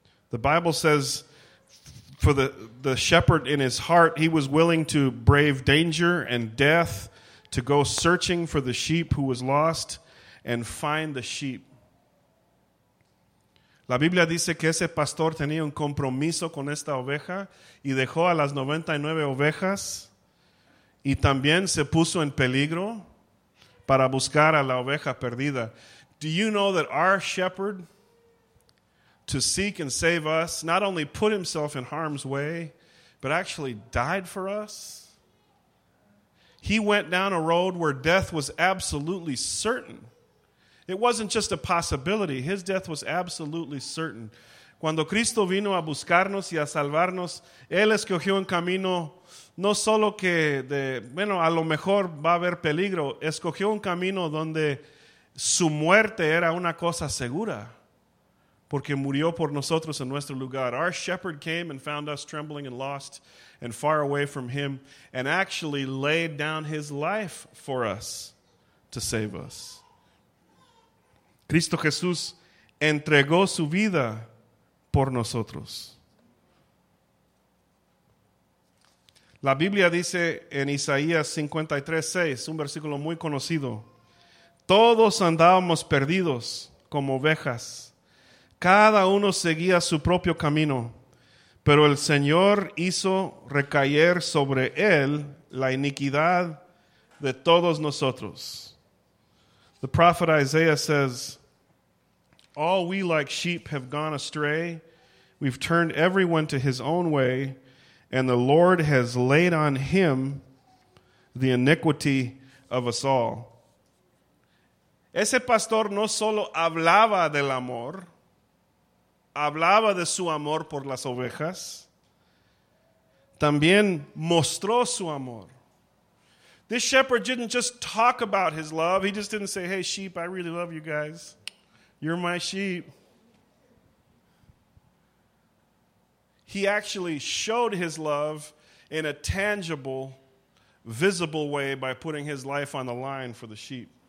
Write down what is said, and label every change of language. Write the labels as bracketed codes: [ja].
[en] The Bible says for the shepherd in his heart, he was willing to brave danger and death to go searching for the sheep who was lost and find the sheep. [es] La Biblia dice que ese pastor tenía un compromiso con esta oveja y dejó a las 99 ovejas y también se puso en peligro para buscar a la oveja perdida. [en] Do you know that our shepherd, to seek and save us, not only put himself in harm's way, but actually died for us? He went down a road where death was absolutely certain. It wasn't just a possibility. His death was absolutely certain. [es] Cuando Cristo vino a buscarnos y a salvarnos, Él escogió un camino no solo que, de, bueno, a lo mejor va a haber peligro. Escogió un camino donde su muerte era una cosa segura. Porque murió por nosotros en nuestro lugar. [en] Our shepherd came and found us trembling and lost and far away from him and actually laid down his life for us to save us. [es] Cristo Jesús entregó su vida por nosotros. La Biblia dice en Isaías 53:6, un versículo muy conocido. Todos andábamos perdidos como ovejas. Cada uno seguía su propio camino, pero el Señor hizo recaer sobre él la iniquidad de todos nosotros. [en] The prophet Isaiah says, all we like sheep have gone astray. We've turned everyone to his own way, and the Lord has laid on him the iniquity of us all. Ese pastor no solo hablaba del amor, hablaba de su amor por las ovejas. También mostró su amor. This shepherd didn't just talk about his love. He just didn't say, hey, sheep, I really love you guys. You're my sheep. He actually showed his love in a tangible, visible way by putting his life on the line for the sheep.